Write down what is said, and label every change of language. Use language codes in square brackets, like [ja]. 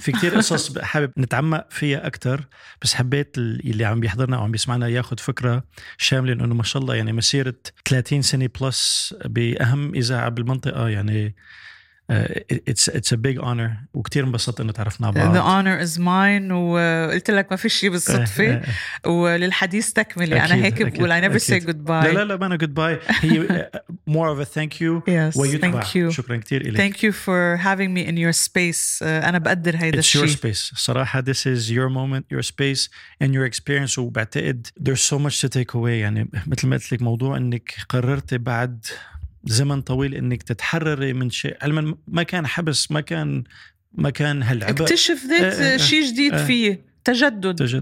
[ar] في كتير قصص حابب نتعمق فيها أكتر، بس حبيت اللي عم بيحضرنا أو عم بيسمعنا ياخد فكرة شاملة أنه ما شاء الله يعني مسيرة 30 سنة بلس بأهم إذاعة بالمنطقة، يعني [en] it's a big honor، [ar] وكتير مبسط أنه تعرفنا بعض. [en] The honor is mine، [ar] وقلت لك ما في شيء بالصدفة وللحديث تكملي. أكيد. أنا هيك بقول [en] I never say goodbye. [ar] لا لا لا ما أنا goodbye، هي [en] more of a thank you. Yes, [ar] ويتبع. [en] Thank you. [ar] شكرا كتير إليك. [en] Thank you for having me in your space. [ar] أنا بقدر هيدا الشيء. [en] It's your space. [ar] صراحة [en] this is your moment, your space and your experience. [ar] وبعتقد [en] there's so much to take away. [ar] يعني مثل ما قلت لك موضوع أنك قررت بعد زمن طويل انك تتحرري من شيء، علما ما كان حبس، ما كان هالعبء، اكتشف ذات شيء جديد فيه، تجدد.